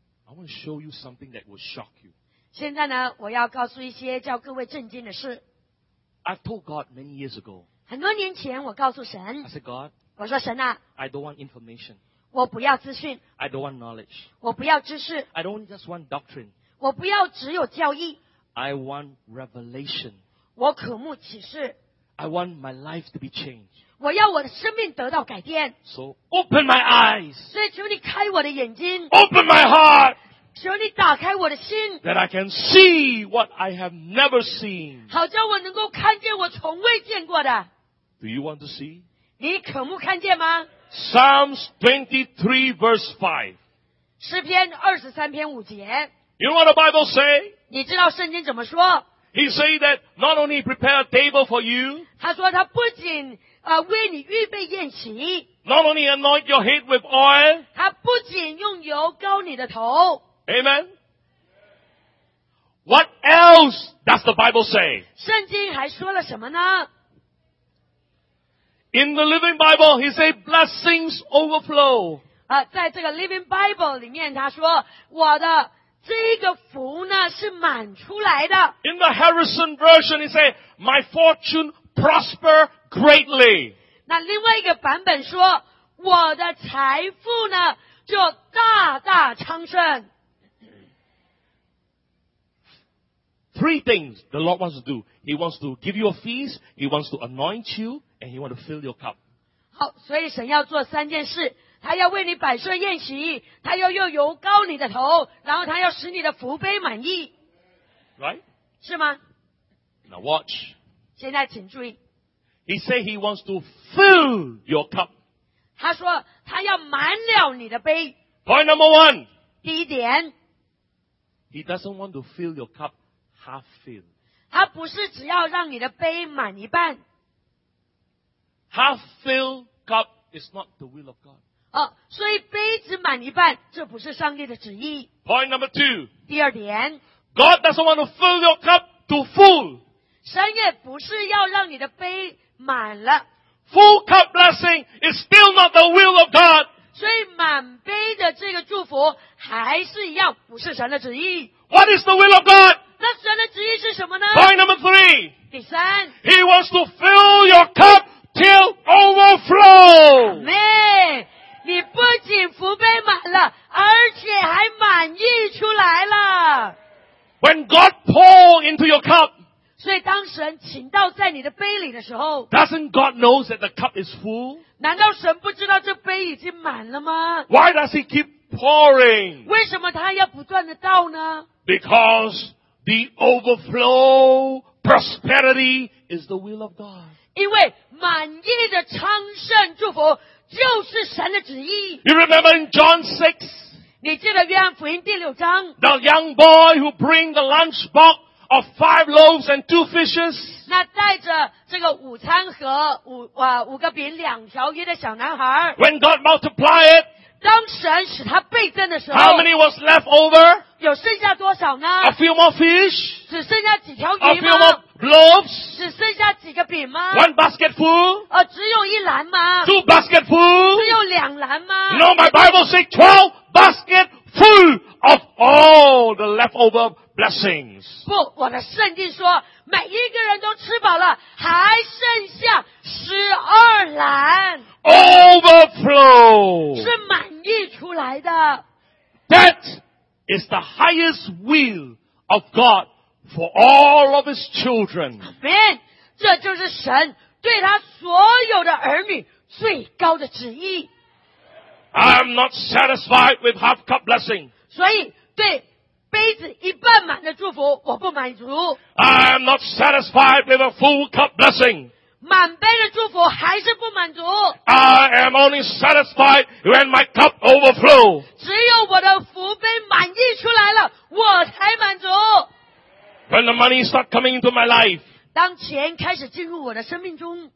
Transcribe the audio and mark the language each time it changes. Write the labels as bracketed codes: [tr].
[en] I want to show you something that will shock you. [zh] 现在呢，我要告诉一些叫各位震惊的事。 [en] I told God many years ago. [zh] 很多年前，我告诉神。 [en] I said God. [zh] 我说神啊。 [en] I don't want information. [zh] 我不要资讯。 [en] I don't want knowledge. [zh] 我不要知识。 [en] I don't just want doctrine. [zh] 我不要只有教义。 [en] I want revelation. [zh] 我渴慕启示。 [en] I want my life to be changed. [zh] 我要我的生命得到改变。 [en] So open my eyes. [zh] 所以求你开我的眼睛。 [en] Open my heart. [zh] 求你打开我的心。 [en] That I can see what I have never seen. [zh] 好叫我能够看见我从未见过的。 [en] Do you want to see? [zh] 你渴慕看见吗？ [en] Psalms 23 verse 5. [zh] 诗篇23篇5节。 [en] You know what the Bible say? [zh] 你知道圣经怎么说？ [en] He said that not only prepare a table for you, [zh] 他说他不仅为你预备宴席， [en] not only anoint your head with oil, [zh] 他不仅用油膏你的头。 [en] Amen? What else does the Bible say? [zh] 圣经还说了什么呢？ [en] In the Living Bible, he said blessings overflow. [zh] 在这个 Living Bible 里面他说我的这个福呢是满出来的。 [en] In the Harrison version, he said, "My fortune prosper greatly." [zh] 那另外一个版本说，我的财富呢就大大昌盛。 [en] Three things the Lord wants to do. He wants to give you a feast. He wants to anoint you, and he wants to fill your cup. [zh] 好，所以神要做三件事。他要为你摆设宴席，他要用油膏你的头，然后他要使你的福杯满意。 [en] Right? [zh] 是吗？ [en] Now watch. [zh] 现在请注意。 [en] He said he wants to fill your cup. [zh] 他说他要满了你的杯。 [en] Point number one. [zh] 第一点。 [en] He doesn't want to fill your cup half filled. [zh] 他不是只要让你的杯满一半。 [en] Half filled cup is not the will of God. [zh] 所以杯子满一半，这不是上帝的旨意。 [en] Point number two. [zh] 第二点。 [en] God doesn't want to fill your cup to full. [zh] 神也不是要让你的杯满了。 [en] Full cup blessing is still not the will of God. [zh] 所以满杯的这个祝福还是一样，不是神的旨意。 [en] What is the will of God? [zh] 那神的旨意是什么呢？ [en] Point number three. [zh] 第三。 [en] He wants to fill your cup till overflow. Amen. [zh] 你不仅福杯满了，而且还满溢出来了。 [en] When God pour into your cup, [zh] 所以当神倾倒在你的杯里的时候， [en] doesn't God know that the cup is full? [zh] 难道神不知道这杯已经满了吗？ [en] Why does he keep pouring? [zh] 为什么他要不断的倒呢？ [en] Because the overflow prosperity is the will of God. [zh] 因为满溢的昌盛祝福就是神的旨意。 [en] You remember in John 6? [zh] 你记得约翰福音第六章。 [en] The young boy who bring the lunch box of 5 loaves and 2 fishes. [zh] 那带着这个午餐盒 五个饼两条鱼的小男孩。 [en] When God multiplied it, [zh] 当神使他倍增的时候。 [en] How many was left over? [zh] 有剩下多少呢？ [en] A few more fish? [zh] 只剩下几条鱼吗？ [en] A few more loaves? [zh] 只剩下几个饼吗？ [en] One basket full? [zh] 只有一篮吗？ [en] Two basket full? [zh] 只有两篮吗？ [en] No, my Bible says 12 basket full of all all the leftover blessings. [zh] 不，我的圣经说，每一个人都吃饱了，还剩下十二篮。 [en] Overflow. [zh] 是满溢出来的。 [en] That is the highest will of God for all of His children. Amen. [zh] 这就是神对他所有的儿女最高的旨意。 [en] I'm not satisfied with half cup blessing. [zh] 所以对杯子一半满的祝福我不满足。 [en] I'm not satisfied with a full cup blessing. [zh] 满杯的祝福还是不满足。 [en] I am only satisfied when my cup overflow. [zh] 只有我的福杯满溢出来了我才满足。 [en] When the money start coming into my life. [zh] 当钱开始进入我的生命中。